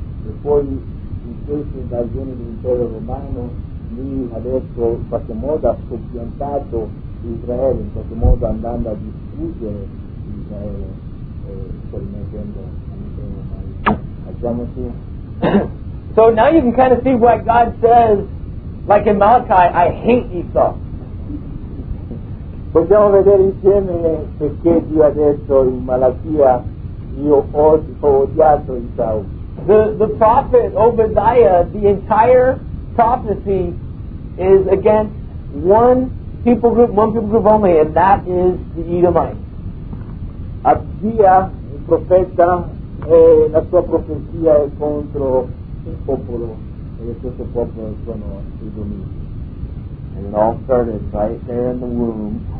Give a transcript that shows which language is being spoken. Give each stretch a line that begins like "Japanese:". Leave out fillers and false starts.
Italian: E poi in questa invasione dell'impero romano lui ha detto, in qualche modo ha soppiantato Israele, in qualche modo andando a distruggere Israele, permettendo all'impero romano. Facciamo sì.
English: So now you can kind of see what God says, like in Malachi, I hate Esau.
Italian: Possiamo vedere insieme perché Dio ha detto in Malachia, io ho odiato Esau.
English: The prophet Obadiah, the entire prophecy is against one people group only, and that is the Edomites.
Italian: Abdia, il profeta, e la sua profezia è contro il popolo, e questo popolo sono i Edomiti.
English: And it all started right there in the womb.